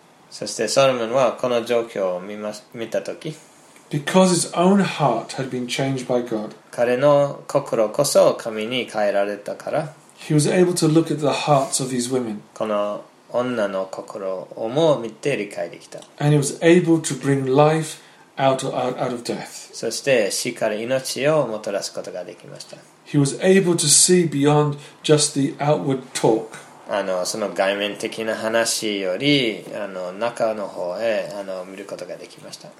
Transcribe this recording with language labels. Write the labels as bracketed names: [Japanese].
[Japanese] そしてソロモンはこの状況を見たとき、 [English] Because his own heart had been changed by God. [Japanese] 彼の心こそ神に変えられたから、 [English] He was able to look at the hearts of these women. [Japanese] この女の心をも見て理解できた。 [English] And he was able to bring life out of death. [Japanese] そして死から命をもたらすことができました。 [English] He was able to see beyond just the outward talk. [Japanese] あのその外面的な話よりあの中の方へあの見ることができました。